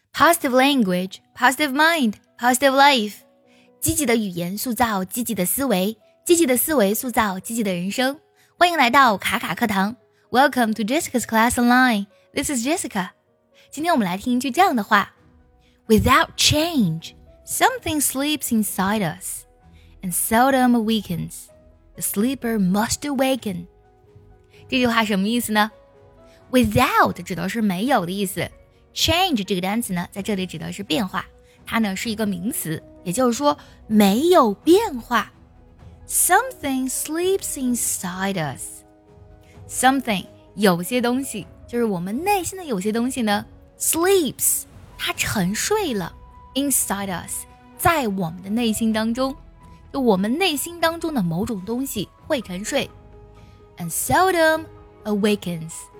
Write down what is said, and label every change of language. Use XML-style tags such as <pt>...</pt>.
<en>Positive language, positive mind, positive life.</en> <zh>积极的语言塑造积极的思维，积极的思维塑造积极的人生。欢迎来到卡卡课堂。</zh> <en>Welcome to Jessica's class online. This is Jessica.</en> <zh>今天我们来听一句这样的话。</zh> <en>Without change, something sleeps inside us, and seldom awakens. The sleeper must awaken.</en> <zh>这句话什么意思呢？ Without 指的是没有的意思。Change 这个单词呢，在这里指的是变化，它呢是一个名词，也就是说没有变化。</zh> <en>Something sleeps inside us.</en> <zh>Something 有些东西，就是我们内心的有些东西呢 ，sleeps 它沉睡了 ，</zh> <en>inside us</en> <zh>在我们的内心当中，就我们内心当中的某种东西会沉睡 ，</zh> <en>and seldom awakens.</en>